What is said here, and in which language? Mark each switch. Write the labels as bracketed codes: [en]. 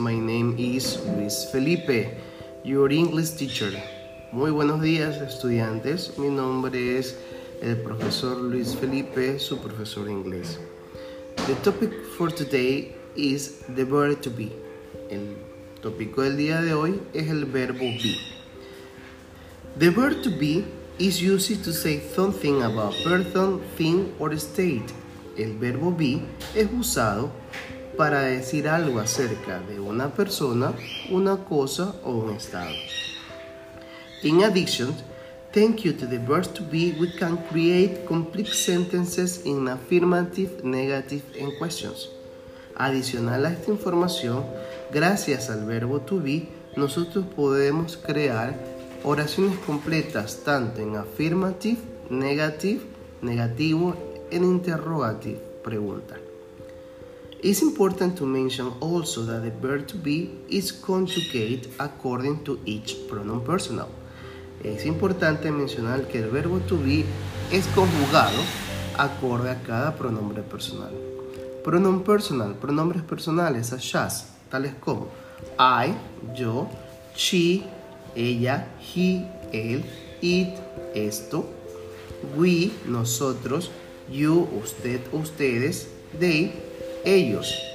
[en] My name is Luis Felipe, your English teacher. [es] Muy buenos días, estudiantes. Mi nombre es el profesor Luis Felipe, su profesor de inglés. [en] The topic for today is the verb to be. [es] El tópico del día de hoy es el verbo be. [en] The verb to be is used to say something about person, thing or state. [es] El verbo be es usado para decir algo acerca de una persona, una cosa o un estado. [en] In addition, thank you to the verb to be, we can create complete sentences in affirmative, negative and questions. [es] Adicional a esta información, gracias al verbo to be, nosotros podemos crear oraciones completas tanto en affirmative, negative, negativo en interrogative, pregunta. [en] It's important to mention also that the verb to be is conjugated according to each pronoun personal. [es] Es importante mencionar que el verbo to be es conjugado acorde a cada pronombre personal. [en] Pronoun personal, [es] pronombres personales, [en] such as, [es] tales como I, yo, she, ella, he, él, it, esto, we, nosotros, you, usted, ustedes, they, ellos.